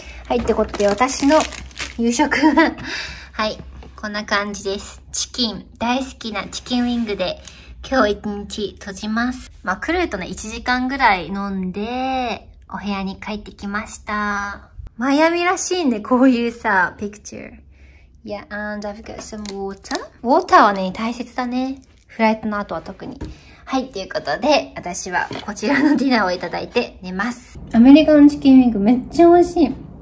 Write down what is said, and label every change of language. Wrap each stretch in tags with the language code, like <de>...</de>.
<ja>はい、ってことで私の夕食ははい、こんな感じです。チキン、大好きなチキンウィングで今日1日閉じます。まあ、クルーとね、1時間ぐらい飲んでお部屋に帰ってきました。マイアミらしいね、こういうさ、ピクチュー。</ja> <en>Yeah, and I've got some water.</en> <ja>ウォーターはね、大切だね。フライトの後は特に。はい、ということで、私はこちらのディナーをいただいて寝ます。アメリカのチキンウィングめっちゃ美味しい。</ja>